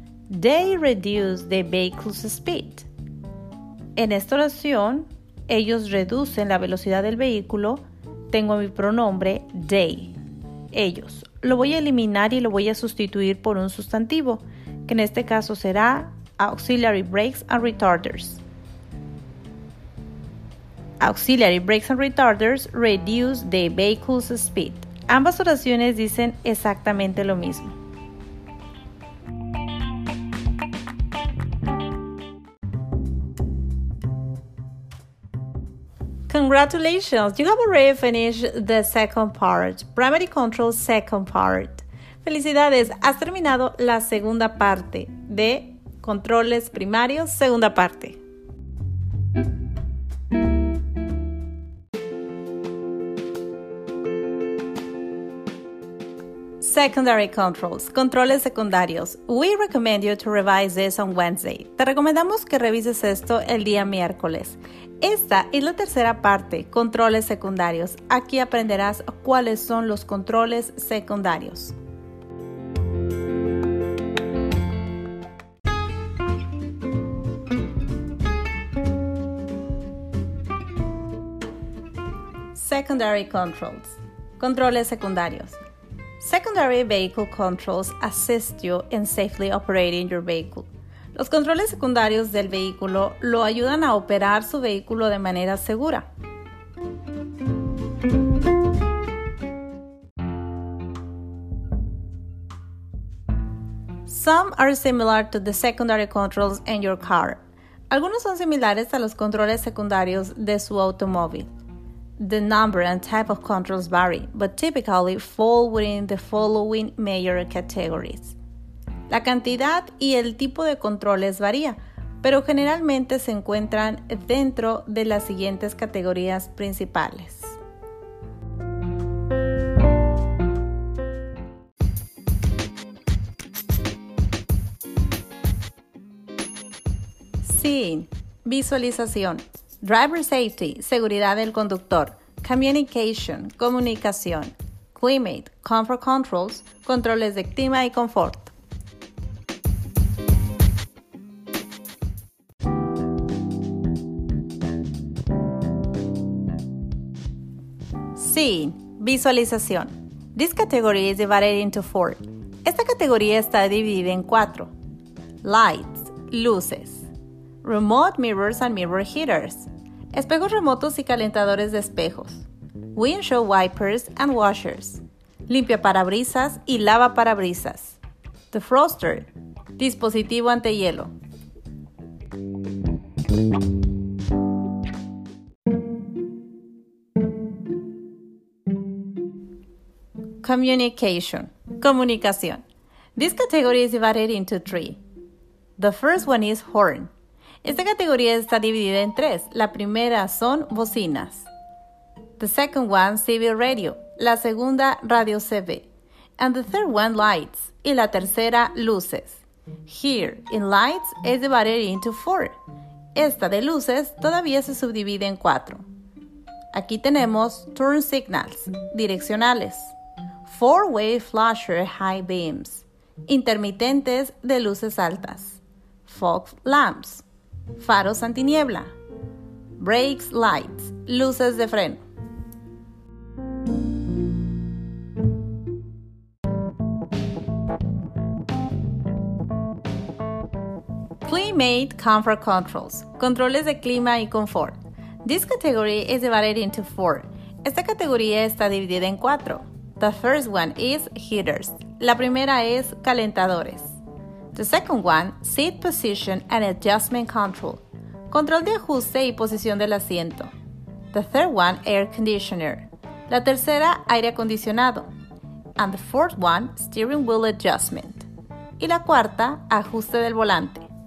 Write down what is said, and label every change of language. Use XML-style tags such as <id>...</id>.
<en>They reduce the vehicle's speed.</en> <es>En esta oración, ellos reducen la velocidad del vehículo. Tengo mi pronombre they. Ellos. Lo voy a eliminar y lo voy a sustituir por un sustantivo, que en este caso será</es> <en>auxiliary brakes and retarders. Auxiliary brakes and retarders reduce the vehicle's speed.</en> <es>Ambas oraciones dicen exactamente lo mismo.</es> <en>Congratulations! You have already finished the second part, primary control second part.</en> <es>Felicidades! Has terminado la segunda parte de controles primarios, segunda parte.</es> <en>Secondary controls,</en> <es>controles secundarios.</es> <en>We recommend you to revise this on Wednesday.</en> <es>Te recomendamos que revises esto el día miércoles. Esta es la tercera parte, controles secundarios. Aquí aprenderás cuáles son los controles secundarios.</es> <en>Secondary controls,</en> <es>controles secundarios.</es> <en>Secondary vehicle controls assist you in safely operating your vehicle.</en> <es>Los controles secundarios del vehículo lo ayudan a operar su vehículo de manera segura.</es> <en>Some are similar to the secondary controls in your car.</en> <es>Algunos son similares a los controles secundarios de su automóvil.</es> <en>The number and type of controls vary, but typically fall within the following major categories.</en> <es>La cantidad y el tipo de controles varía, pero generalmente se encuentran dentro de las siguientes categorías principales. Seeing, visualización.</es> <en>Driver safety,</en> <es>seguridad del conductor. Communication, comunicación.</es> <en>Climate, comfort controls,</en> <es>controles de clima y confort.</es> <en>Seeing, visualización. This category is divided into four.</en> <es>Esta categoría está dividida en cuatro.</es> <en>Lights, luces. Remote mirrors and mirror heaters.</en> <es>Espejos remotos y calentadores de espejos.</es> <en>Windshield wipers and washers.</en> <es>Limpia parabrisas y lava parabrisas. Defroster, dispositivo ante hielo.</es> <en>Communication, comunicación. This category is divided into three. The first one is horn.</en> <es>Esta categoría está dividida en tres. La primera son bocinas.</es> <en>The second one, CB radio.</en> <es>La segunda, radio CB.</es> <en>And the third one, lights.</en> <es>Y la tercera, luces.</es> <en>Here, in lights, is divided into four.</en> <es>Esta de luces todavía se subdivide en cuatro. Aquí tenemos</es> <en>turn signals,</en> <es>direccionales.</es> <en>Four-way flasher high beams,</en> <es>intermitentes de luces altas.</es> <en>Fog lamps,</en> <es>faros antiniebla.</es> <en>Brakes lights,</en> <es>luces de freno.</es> <en>Climate comfort controls,</en> <es>controles de clima y confort.</es> <en>This category is divided into four.</en> <es>Esta categoría está dividida en cuatro.</es> <en>The first one is heaters.</en> <es>La primera es calentadores.</es> <en>The second one, seat position and adjustment control.</en> <es>Control de ajuste y posición del asiento.</es> <en>The third one, air conditioner.</en> <es>La tercera, aire acondicionado.</es> <en>And the fourth one, steering wheel adjustment.</en> <es>Y la cuarta, ajuste del volante.</es>